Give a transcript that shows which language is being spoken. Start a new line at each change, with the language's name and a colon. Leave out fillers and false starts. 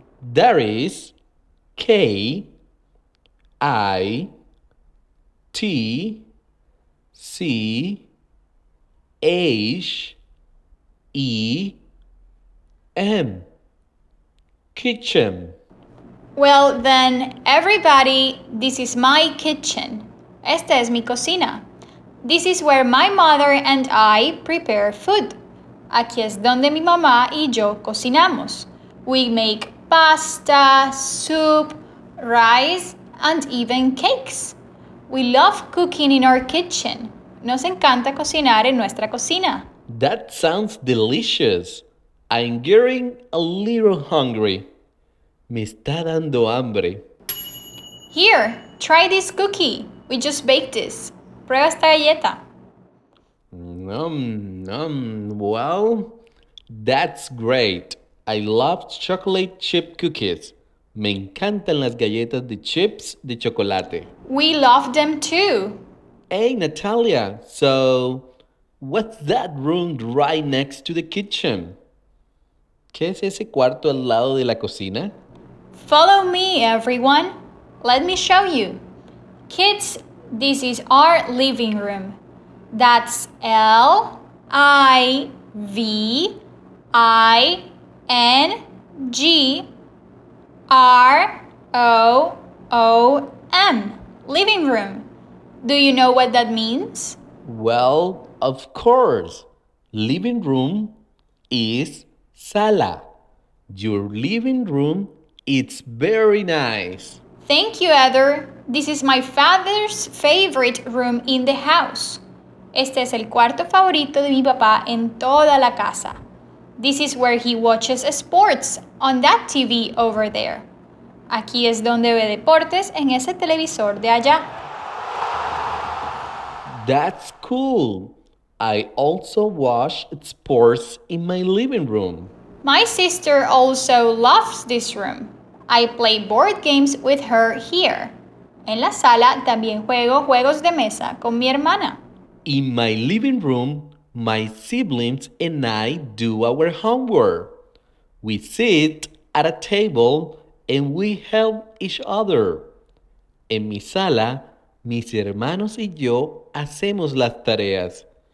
English: There is K-I-T-C-H-E-M. Kitchen. Well, then, everybody, this is my kitchen.
Spanish: Esta es mi cocina.
English: This is where my mother and I prepare food.
Spanish: Aquí es donde mi mamá y yo cocinamos.
English: We make pasta, soup, rice, and even cakes. We love cooking in our kitchen.
Spanish: Nos encanta cocinar en nuestra cocina.
English: That sounds delicious. I'm getting a little hungry.
Spanish: Me está dando hambre.
English: Here, try this cookie. We just baked this.
Spanish: Prueba esta galleta.
English: Nom, nom. Well, that's great. I love chocolate chip cookies.
Spanish: Me encantan las galletas de chips de chocolate.
English: We love them too. Hey, Natalia. So, what's that room right next to the kitchen?
Spanish: ¿Qué es ese cuarto al lado de la cocina?
English: Follow me, everyone. Let me show you. Kids, this is our living room. That's L-I-V-I-N-G-R-O-O-M. Living room. Do you know what that means? Well, of course. Living room is sala. Your living room is very nice. Thank you, Heather. This is my father's favorite room in the house.
Spanish: Este es el cuarto favorito de mi papá en toda la casa.
English: This is where he watches sports on that TV over there.
Spanish: Aquí es donde ve deportes en ese televisor de allá.
English: That's cool. I also watch sports in my living room. My sister also loves this room. I play board games with her here.
Spanish: En la sala también juego juegos de mesa con mi hermana.
English: In my living room, my siblings and I do our homework. We sit at a table and we help each other.
Spanish: En mi sala, mis hermanos y yo hacemos las tareas.